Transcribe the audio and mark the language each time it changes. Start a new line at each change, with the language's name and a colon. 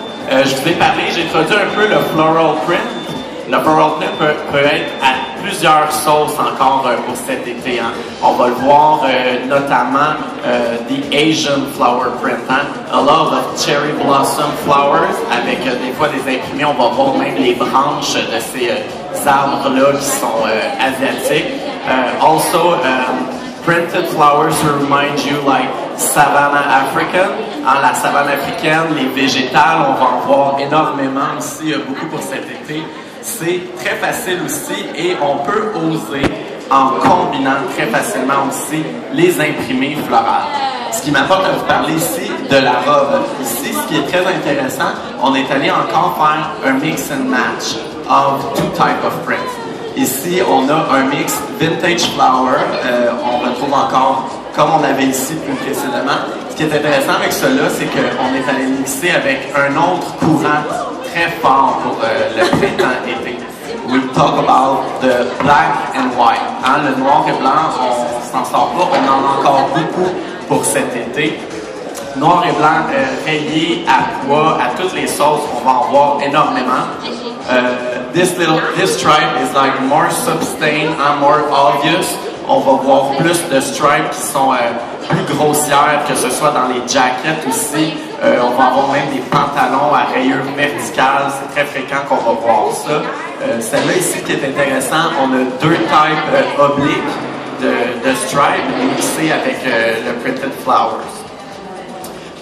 French: Je vous ai parlé, j'ai introduit un peu le floral print. Le floral print peut être à plusieurs sauces encore pour cet été. Hein. On va le voir notamment
English: the Asian flower print.
French: Hein.
English: A lot of cherry blossom flowers
French: avec des fois des imprimés. On va voir même les branches de ces arbres-là qui sont asiatiques.
English: Also, printed flowers remind you like savanna African.
French: Hein, la savane africaine, les végétales, on va en voir énormément aussi, beaucoup pour cet été. C'est très facile aussi et on peut oser en combinant très facilement aussi les imprimés floraux. Ce qui m'apporte à vous parler ici de la robe. Ici, ce qui est très intéressant, on est allé encore faire un
English: mix and match of two types of prints.
French: Ici, on a un mix vintage flower. On retrouve encore comme on avait ici plus précédemment. Ce qui est intéressant avec cela, c'est qu'on est allé mixer avec un autre courant très fort pour le printemps été.
English: We'll talk about the black and white.
French: Hein, le noir et blanc, on s'en sort pas. On en a encore beaucoup pour cet été. Noir et blanc relié à quoi? À toutes les sauces, on va en voir énormément.
English: This stripe is like more sustained and more obvious.
French: On va voir plus de stripes qui sont plus grossières, que ce soit dans les jackets aussi. On va avoir même des pantalons à rayures verticales. C'est très fréquent qu'on va voir ça. Celle-là ici qui est intéressant, on a deux types obliques de stripes mixées avec le printed flowers.